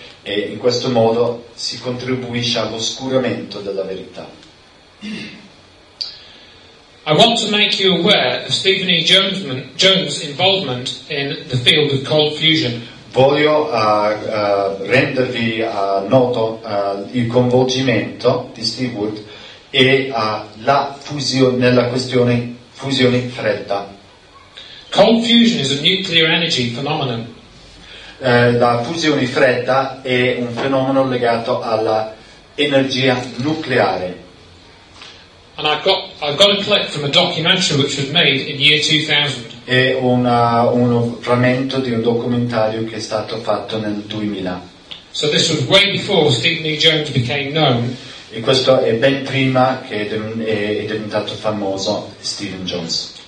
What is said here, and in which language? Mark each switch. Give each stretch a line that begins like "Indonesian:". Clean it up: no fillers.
Italian: E in questo modo si contribuisce all'oscuramento della verità.
English: I want to make you aware of Stephen E. Jones' involvement in the field of cold fusion.
Italian: Voglio rendervi noto il coinvolgimento di Steve Wood e la fusione nella questione fusione fredda.
English: Cold fusion is a nuclear energy phenomenon.
Italian: La fusione fredda è un fenomeno legato alla energia nucleare.
English: And I've got a clip from a documentary which was made in year 2000.
Italian: È un frammento di un documentario che è stato fatto nel 2000.
English: So this was way before Stephen E. Jones became known.
Italian: E questo è ben prima che è diventato famoso Stephen Jones.